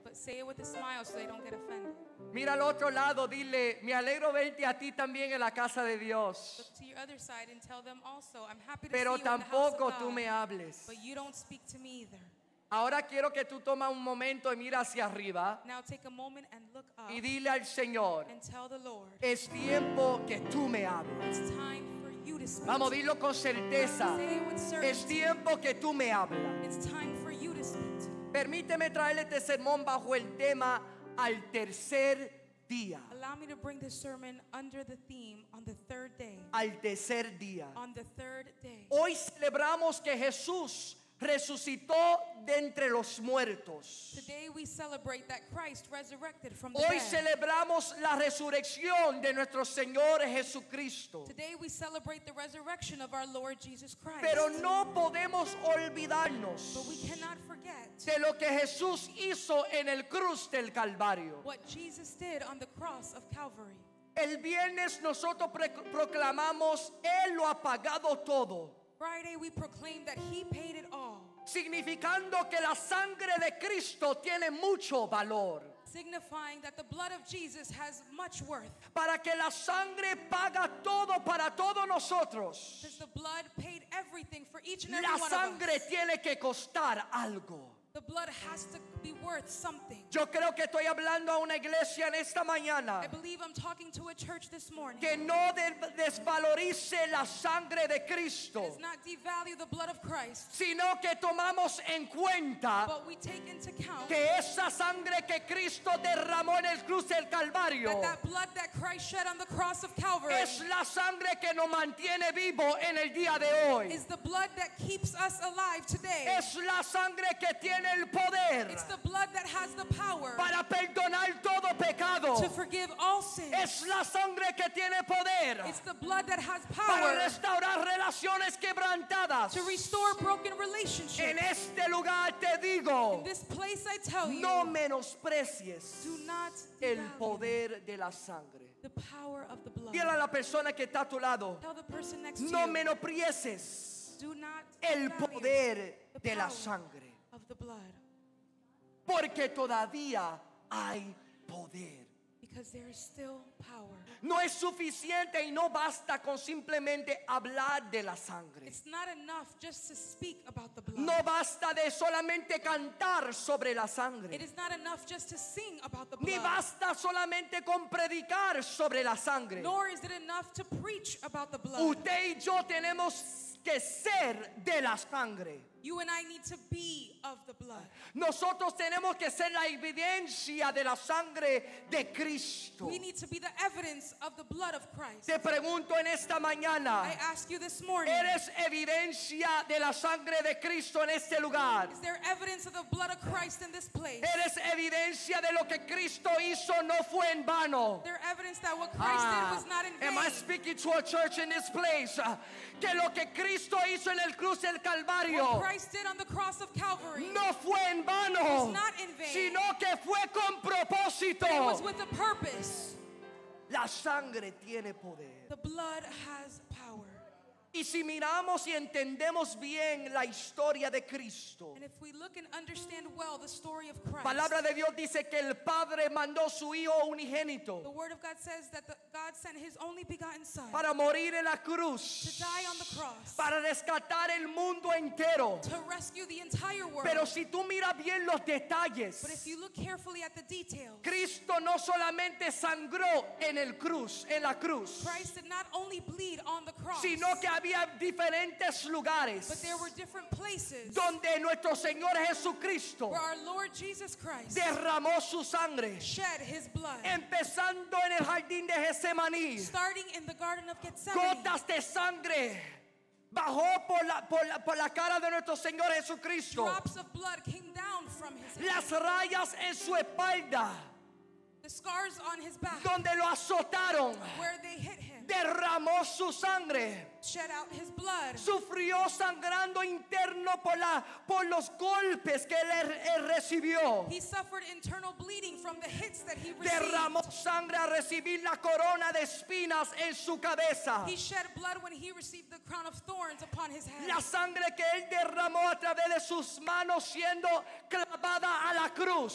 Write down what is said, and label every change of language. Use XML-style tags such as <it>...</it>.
<en>But say it with a smile so they don't get offended.</en> <es>Mira al otro lado, dile: me alegro verte a ti también en la casa de Dios.</es> <en>Look to your other side and tell them also, I'm happy to</en> <es>Pero</es> <en>see you</en> <es>tampoco</es> <en>in the house of</en> <es>tú</es> <en>God,</en> <es>me hables.</es> <en>But you don't speak to me either.</en> <es>Ahora quiero que tú tomas un momento y mira hacia arriba.</es> <en>Now take a moment and look up.</en> <es>Y dile al Señor:</es> <en>and tell the Lord,</en> <es>es tiempo que tú me hables.</es> <en>It's time for you to speak.</en> <es>Vamos, dilo con certeza.</es> <en>Say it with certainty.</en> <es>Es tiempo que tú me hables.</es> <en>It's time.</en> <es>Permíteme traerle este sermón bajo el tema al tercer día.</es> <en>Allow me to bring this sermon under the theme on the third day.</en> <es>Al tercer día.</es> <en>On the third day.</en> <es>Hoy celebramos que Jesús resucitó de entre los muertos.</es> <en>Today we celebrate that Christ resurrected from the</en> <es>Hoy</es> <en>dead.</en> <es>Celebramos la resurrección de nuestro Señor Jesucristo.</es> <en>Today we celebrate the resurrection of our Lord Jesus Christ.</en> <es>Pero no podemos olvidarnos de lo que Jesús hizo en el cruz del Calvario.</es> <en>What Jesus did on the cross of Calvary.</en> <es>El viernes nosotros proclamamos: Él lo ha pagado todo.</es> <en>Friday we proclaim that he paid it all.</en> <es>Significando que la sangre de Cristo tiene mucho valor.</es> <en>Signifying that the blood of Jesus has much worth.</en> <es>Para que la sangre paga todo para todos nosotros.</es> <en>Because the blood paid everything for each and every</en> <es>la La sangre tiene que costar algo.</es> <en>The blood has to be worth something.</en> <es>Yo creo que estoy hablando a una iglesia en esta mañana.</es> <en>I believe I'm talking to a church this morning.</en> <es>Que no desvalorice la sangre de Cristo.</es> <en>It does not devalue the blood of Christ.</en> <es>Sino que tomamos en cuenta.</es> <en>But we take into account.</en> <es>Que esa sangre que Cristo derramó en el cruz del Calvario.</es> <en>That blood that Christ shed on the cross of Calvary.</en> <es>Es la sangre que nos mantiene vivo en el día de hoy.</es> <en>Is the blood that keeps us alive today.</en> <es>Es la sangre que tiene el poder</es> <en>It's the blood that has the power</en> <es>para perdonar.</es> <en>forgive all sins.</en> <es>Es la sangre que tiene poder.</es> <en>It's the blood that has power.</en> <es>Para restaurar relaciones quebrantadas.</es> <en>To restore broken relationships.</en> <es>En este lugar te digo.</es> <en>In this place I tell you.</en> <es>No menosprecies.</es> <en>Do not</en> <es>el poder de la sangre.</es> <en>The power of the blood.</en> <es>Dile a la persona que está a tu lado.</es> <en>Tell the person next to</en> <es>no</es> <en>you.</en> <es>No menosprecies.</es> <en>Do not</en> <es>el poder de la sangre.</es> <en>Of the blood.</en> <es>Porque todavía hay poder.</es> <en>Because there is still power.</en> <es>No es suficiente y no basta con simplemente hablar de la sangre.</es> <en>It's not enough just to speak about the blood.</en> <es>No basta de solamente cantar sobre la sangre.</es> <en>It is not enough just to sing about the blood.</en> <es>Ni basta solamente con predicar sobre la sangre.</es> <en>Nor is it enough to preach about the blood.</en> <es>Usted y yo tenemos que ser de la sangre.</es> <en>You and I need to be of the blood.</en> <es>Nosotros tenemos que ser la evidencia de la sangre de Cristo.</es> <en>We need to be the evidence of the blood of Christ.</en> <es>Te pregunto en esta mañana.</es> <en>I ask you this morning.</en> <es>¿Eres evidencia de la sangre de Cristo en este lugar?</es> <en>Is there evidence of the blood of Christ in this place?</en> <es>¿Eres evidencia de lo que Cristo hizo no fue en vano?</es> <en>Is there evidence that what Christ did was not in vain? Am I speaking to a church in this place?</en> <es>Que lo que Cristo hizo en el cruz del Calvario.</es> <en>Christ did on the cross of Calvary.</en> <es>No fue en vano,</es> <en>it was not in vain.</en> <es>Sino que fue con propósito.</es> <en>But it was with a purpose.</en> <es>La sangre tiene poder.</es> <en>The blood has power.</en> <es>Y si miramos y entendemos bien la historia de Cristo.</es> <en>And if we look and understand well the story of Christ.</en> <es>Palabra de Dios dice que el Padre mandó su Hijo unigénito.</es> <en>The word of God says that God sent his only begotten Son.</en> <es>Para morir en la cruz.</es> <en>To die on the cross.</en> <es>Para rescatar el mundo entero.</es> <en>To rescue the entire world.</en> <es>Pero si tú miras bien los detalles.</es> <en>But if you look carefully at the details.</en> <es>Cristo no solamente sangró en el cruz, en la cruz.</es> <en>Christ did not only bleed on the cross.</en> <es>Sino que había diferentes lugares donde nuestro Señor Jesucristo derramó su sangre,</es> <en>shed his blood,</en> <es>empezando en el jardín de Getsemaní,</es> <en>starting in the garden of Gethsemane.</en> <es>Gotas de sangre bajó por la cara de nuestro Señor Jesucristo.</es> <en>Drops of blood came down from his head.</en> <es>Las rayas en su espalda,</es> <en>the scars on his back,</en> <es>donde lo azotaron,</es> <en>where they hit him.</en> <es>Derramó su sangre.</es> <en>Shed out his blood.</en> <es>Sufrió sangrando interno por los golpes que él recibió.</es> <en>He suffered internal bleeding from the hits that he received.</en> <es>Derramó sangre a recibir la corona de espinas en su cabeza.</es> <en>He shed blood when he received the crown of thorns upon his head.</en> <es>La sangre que él derramó a través de sus manos siendo clavada a la cruz.</es>